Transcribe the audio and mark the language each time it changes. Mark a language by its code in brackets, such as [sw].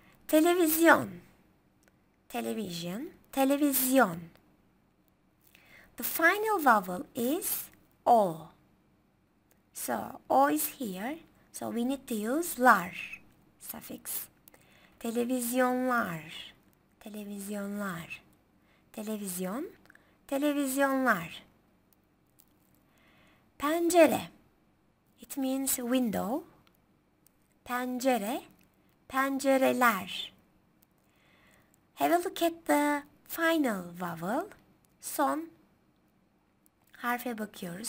[tr] Televizyon, television, televizyon. [en] The final vowel is o. So o is here, so we need to use lar suffix. [tr] Televizyonlar, televizyonlar, televizyon, televizyonlar. [en] Pencere, it means window. Pencere, pencereler. Have a look at the [tr] final vowel, son harfe bakıyoruz.